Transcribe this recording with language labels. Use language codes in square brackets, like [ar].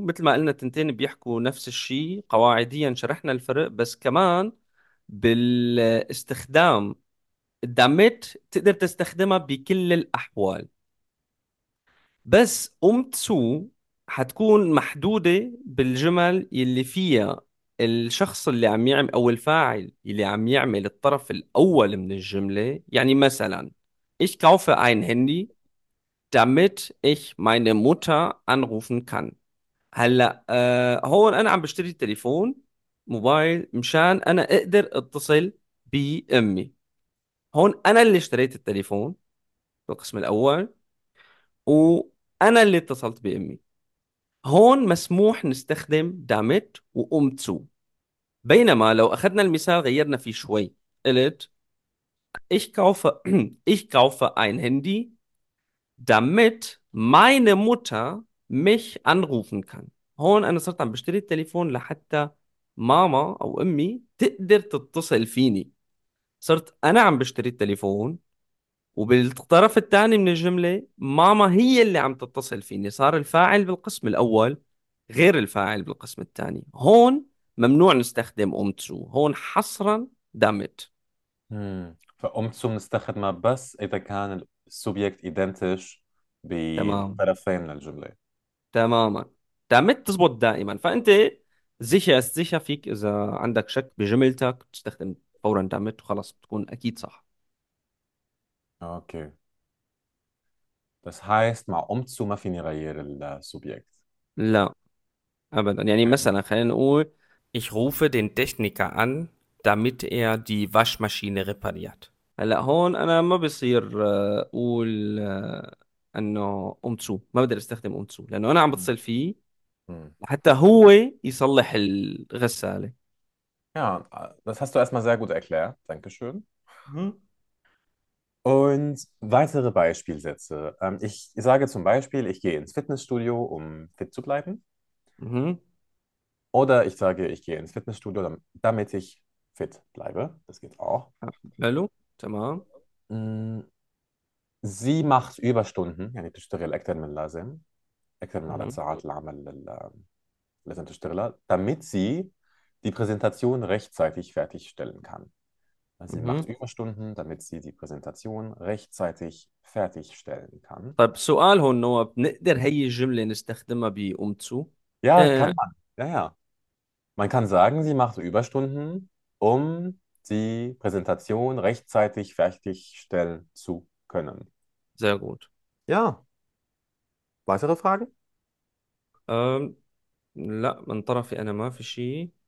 [ar] مثل ما قلنا تنتين بيحكوا نفس الشيء، قواعديا شرحنا الفرق، بس كمان بالاستخدام الداميت تقدر تستخدمها بكل الأحوال، بس امتسو حتكون محدودة بالجمل يلي فيها الشخص اللي عم يعمل أو الفاعل اللي عم يعمل الطرف الأول من الجملة. يعني مثلا [de] ich kaufe ein Handy damit ich meine Mutter anrufen kann. [ar] هلا هون أنا عم بشتري تليفون موبايل مشان أنا أقدر أتصل بأمي. هون أنا اللي اشتريت التليفون بالقسم الأول وأنا اللي اتصلت بأمي. هون مسموح نستخدم دامت وأمتسو. بينما لو أخذنا المثال غيرنا فيه شوي، قلت [de] ich kaufe ein Handy damit meine Mutter mich anrufen kann. [ar] هون أنا صرت عم بشتري التليفون لحتى ماما أو أمي تقدر تتصل فيني. صرت أنا عم بشتري التليفون وبالطرف الثاني من الجملة ماما هي اللي عم تتصل فيني. صار الفاعل بالقسم الأول غير الفاعل بالقسم الثاني. هون ممنوع نستخدم أمتسو، هون حصرا دامت. فأمتسو بنستخدمها بس إذا كان السوبجكت ايدنتيش تمام بطرفين للجملة. تماما، دامت تزبط دائما. فأنت سيشة فيك إذا عندك شك بجملتك تستخدم فورا دامت وخلاص بتكون أكيد صح. أوكي، بس هايست مع أمتسو ما فيني أغير السوبجكت. لا أبدا، يعني مثلا خلينا نقول [de] ich rufe den Techniker an damit er die Waschmaschine repariert. [ar] هلا هون أنا ما بصير أقول أنه أمتسو، ما بقدر أستخدم أمتسو لأنه أنا عم بتصل فيه حتى هو يصلح الغسالة. [de] Ja, das hast du erstmal sehr gut erklärt. Dankeschön. Und weitere Beispielsätze. Ich sage zum Beispiel, ich gehe ins Fitnessstudio, um fit zu bleiben. Oder ich sage, ich gehe ins Fitnessstudio, damit ich fit bleibe. Das geht auch. [ar] Hallo, تمام. [de] Sie macht Überstunden, [ar] يعني تشتغل أكثر من لازم. أكثر من عدد ساعات العمل لازم تشتغلها, [de] damit sie die Präsentation rechtzeitig fertigstellen kann. Also sie macht Überstunden, damit sie die Präsentation rechtzeitig fertigstellen kann. [ar] طيب سؤال هون نواب، نقدر هي الجملة نستخدمها بأمتسو؟ [de] Ja, kann man. Ja. Man kann sagen, sie macht Überstunden, um die Präsentation rechtzeitig fertigstellen zu können. Sehr gut. Ja. Weitere Fragen? [ar] لا، من طرفي أنا ما في شيء.